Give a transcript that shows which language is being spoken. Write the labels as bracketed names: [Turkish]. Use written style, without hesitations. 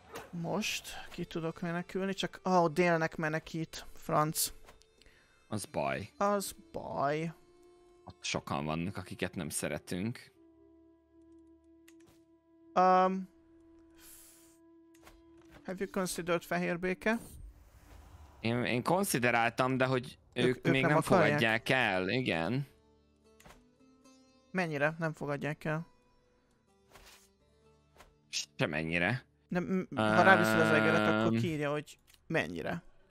[Hungarian] Most ki tudok menekülni, csak délnek menekít, franc. Az baj. Ott sokan vannak, akiket nem szeretünk. [English] Have you considered [Hungarian] fehér béke? Én konszideráltam, de hogy ők még nem fogadják el, igen. Mennyire nem fogadják el? Semennyire. Ha ráviszol az egeret, akkor kiírja, hogy mennyire.